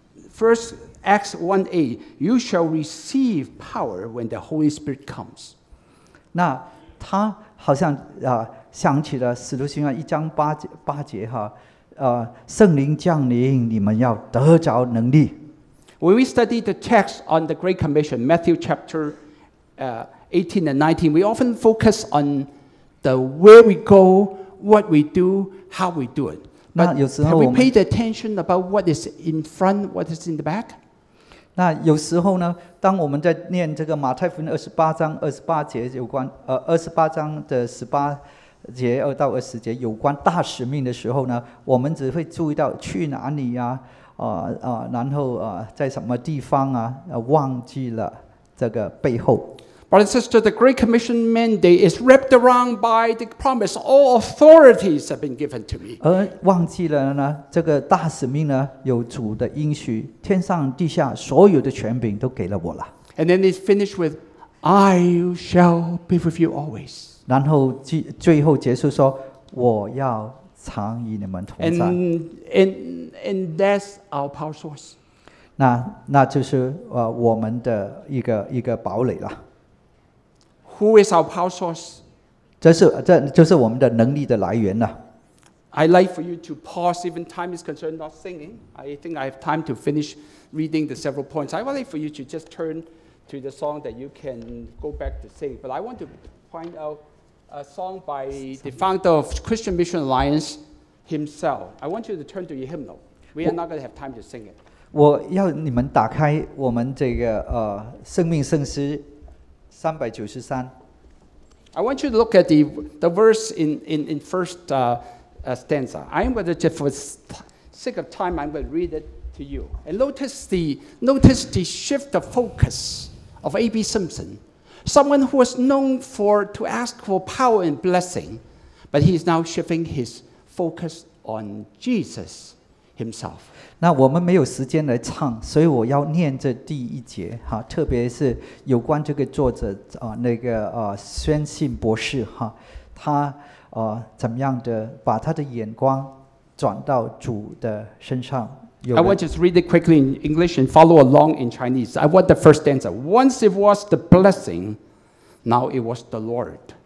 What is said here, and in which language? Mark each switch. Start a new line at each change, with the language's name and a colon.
English: First Acts 1:8. "You shall receive power when the Holy Spirit comes."
Chinese: 那他好像想起了《使徒行传》一章八节哈，圣灵降临，你们要得着能力。
English: When we study the text on the Great Commission, Matthew chapter 18 and 19, we often focus on the where we go, what we do, how we do it.
Chinese: 那有时候
English: have we paid attention about what is in front, what is in the back?
Chinese: 那有时候呢，当我们在念这个马太福音二十八章的十八。节二到二十节有关大使命的时候呢，我们只会注意到去哪里啊，然后在什么地方啊，忘记了这个背后。
English: But sister, the Great Commission mandate is wrapped around by the promise all authorities have been given to me.
Chinese: 而忘记了呢，这个大使命呢，有主的应许，天上地下所有的权柄都给了我了。
English: And then it finished with, "I shall be with you always."
Chinese: 然后最后结束说，我要常与你们同在。
English: And that's our power source.
Chinese: 那就是我们的一个堡垒了。
English: Who is our power source?
Chinese: 这就是我们的能力的来源了。
English: I'd like for you to pause, even time is concerned, not singing. I think I have time to finish reading the several points. I would like for you to just turn to the song that you can go back to sing. But I want to point out. A song by the founder of Christian Mission Alliance himself. I want you to turn to your hymnal. We are not going to have time to sing it.
Chinese: 我要你们打开我们这个生命圣诗三百九十三。
English: I want you to look at the verse in first stanza. I'm going to just for sake of time, I'm going to read it to you. And notice the shift of focus of A.B. Simpson. Someone who was known to ask for power and blessing, but he is now shifting his focus on Jesus himself.
Chinese: 那我们没有时间来唱，所以我要念这第一节哈，特别是有关这个作者宣信博士哈，他怎么样的把他的眼光转到主的身上。
English: I want to just read it quickly in English and follow along in Chinese. I want the first stanza. Once it was the blessing, now it was the Lord.